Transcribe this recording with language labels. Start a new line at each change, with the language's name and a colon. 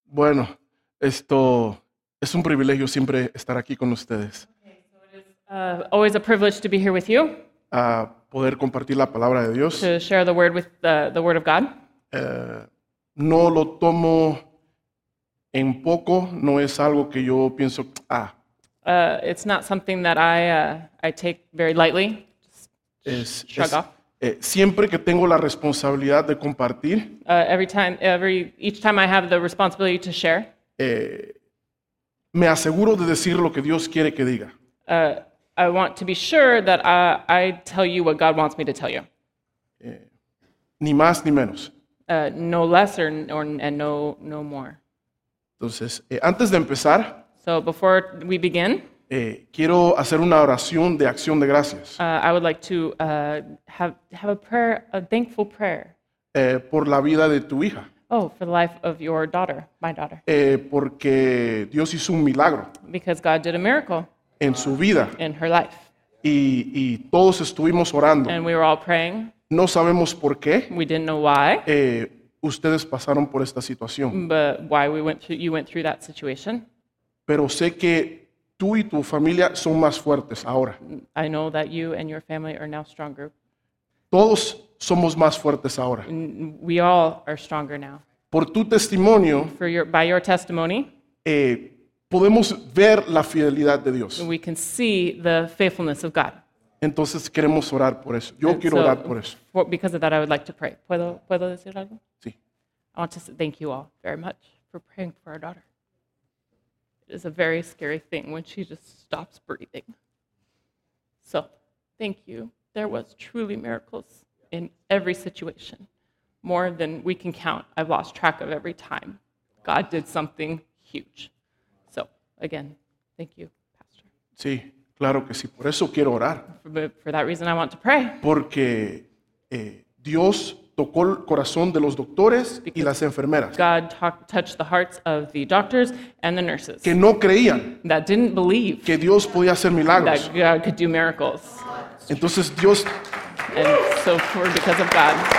Spanish: Bueno, esto es un privilegio siempre estar aquí con ustedes.
English: Always a privilege to be here with you,
Spanish: A poder compartir la palabra de
English: to
Spanish: Dios.
English: share the word with the word of God.
Spanish: No lo tomo en poco, no es algo que yo pienso, ah.
English: It's not something that I take very lightly. Just shrug off.
Spanish: Siempre que tengo la responsabilidad de compartir.
English: Each time I have the responsibility to share.
Spanish: Me aseguro de decir lo que Dios quiere que diga.
English: I want to be sure that I tell you what God wants me to tell you.
Spanish: Ni más ni menos.
English: No less and no more.
Spanish: Entonces, antes de empezar,
English: So before we begin,
Spanish: quiero hacer una oración de acción de gracias.
English: I would like to have a prayer, a thankful prayer.
Spanish: Por la vida de tu hija.
English: Oh, for the life of your daughter, my daughter.
Spanish: Porque Dios hizo un milagro
English: Because God did a miracle
Spanish: en su vida
English: in her life.
Spanish: y todos estuvimos
English: And
Spanish: orando.
English: we were all praying.
Spanish: No sabemos por qué
English: We didn't know why.
Spanish: ustedes pasaron por esta situación,
English: But why we went through, you went through that situation.
Spanish: pero sé que tú y tu familia son más fuertes ahora.
English: I know that you and your family are now stronger.
Spanish: Todos somos más fuertes ahora.
English: We all are stronger now.
Spanish: Por tu testimonio,
English: By your testimony,
Spanish: podemos ver la fidelidad de Dios.
English: we can see the faithfulness of God.
Spanish: Entonces queremos orar por eso. Yo
English: And
Spanish: quiero orar
English: so,
Spanish: por eso.
English: because of that, I would like to pray.
Spanish: ¿Puedo decir algo?
English: I want to say thank you all very much for praying for our daughter. It is a very scary thing when she just stops breathing. So, thank you. There was truly miracles in every situation. More than we can count. I've lost track of every time God did something huge. So, again, thank you, Pastor.
Spanish: Sí, claro que sí. Por eso quiero orar.
English: For that reason, I want to pray.
Spanish: Porque Dios tocó el corazón de los doctores y
English: Because
Spanish: las enfermeras
English: God touched the hearts of the doctors and the
Spanish: que
English: nurses
Spanish: no creían
English: that didn't believe
Spanish: que Dios podía hacer
English: that
Spanish: milagros.
English: God could do miracles.
Spanish: Entonces Dios.
English: And so, for because of God.